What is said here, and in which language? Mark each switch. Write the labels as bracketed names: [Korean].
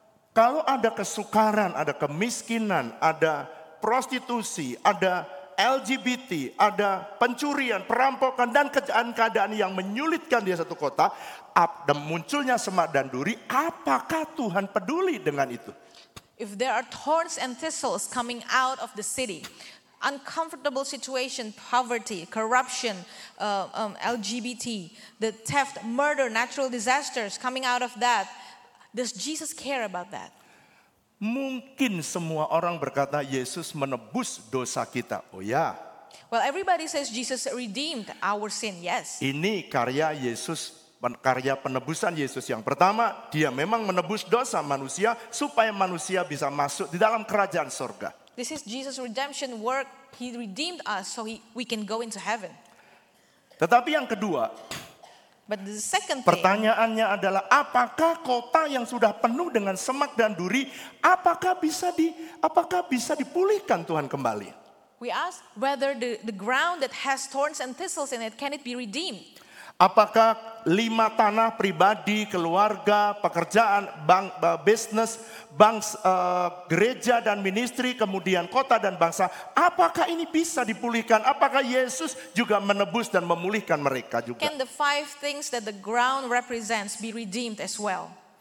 [Indonesian] Kalau ada kesukaran, ada kemiskinan, ada prostitusi, ada LGBT, ada pencurian, perampokan, dan keadaan-keadaan yang menyulitkan dia satu kota, dan munculnya semak dan duri, apakah Tuhan peduli dengan itu? [English] If there are thorns and thistles coming out of the city, uncomfortable situation, poverty, corruption, LGBT, the theft, murder, natural disasters coming out of that, does Jesus care about that? [Indonesian] Mungkin semua orang berkata Yesus menebus dosa kita. Oh ya. [English] Well, everybody says Jesus redeemed our sin. Yes. [Indonesian] Ini karya Yesus, karya penebusan Yesus yang pertama. Dia memang menebus dosa manusia supaya manusia bisa masuk di dalam kerajaan surga. [English] This is Jesus' redemption work. He redeemed us so we can go into heaven. [Indonesian] Tetapi yang kedua, [English] but the second thing, [Indonesian] pertanyaannya adalah apakah kota yang sudah penuh dengan semak dan duri apakah bisa dipulihkan Tuhan kembali? [English] We ask whether the ground that has thorns and thistles in it, can it be redeemed? [Indonesian] Apakah lima tanah pribadi, keluarga, pekerjaan, bank, bisnis, bank, gereja dan ministry, kemudian kota dan bangsa, apakah ini bisa dipulihkan? Apakah Yesus juga menebus dan memulihkan mereka juga? [English] Can the five things that the ground represents be redeemed as well?